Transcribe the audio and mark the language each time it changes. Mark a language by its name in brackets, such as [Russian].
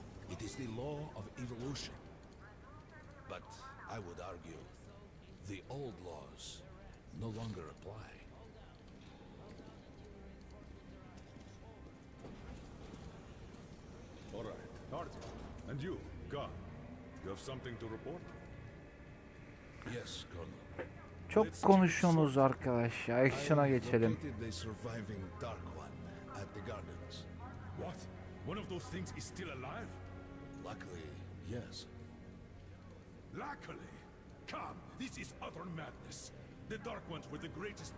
[English] It is the law of evolution. But I would argue the old laws no longer apply. All right, Arthur. And you, Gunn, you have something to report? Yes, Colonel. [Turkish] Çok konuşuyorsunuz arkadaş ya. Action'a geçelim. [English] I located the surviving Dark One at the gardens. What? One of those things is still alive? Luckily, yes. Luckily? Come, this is utter madness. The Dark Ones were the greatest...